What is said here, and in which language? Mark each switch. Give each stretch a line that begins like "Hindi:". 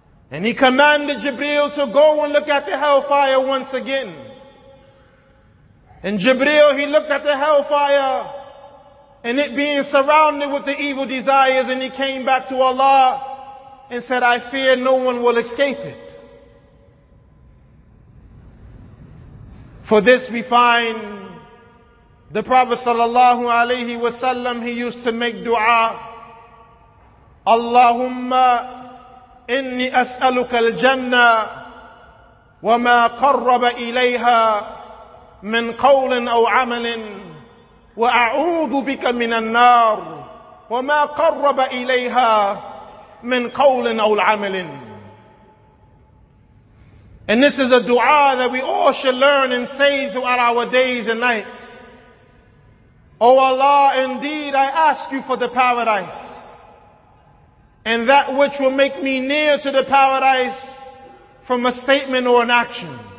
English: And He commanded Jibreel to go and look at the hellfire once again. And Jibreel, he looked at the hellfire and it being surrounded with the evil desires, and he came back to Allah and said, I fear no one will escape it. For this we find the Prophet sallallahu alaihi wasallam, he used to make dua,
Arabic: Allahumma إني أسألك الجنة وما قرب إليها من قول أو عمل وأعوذ بك من النار وما قرب إليها من قول أو عمل.
English: And this is a dua that we all should learn and say throughout our days and nights. O Allah, indeed I ask You for the paradise, and that which will make me near to the paradise from a statement or an action.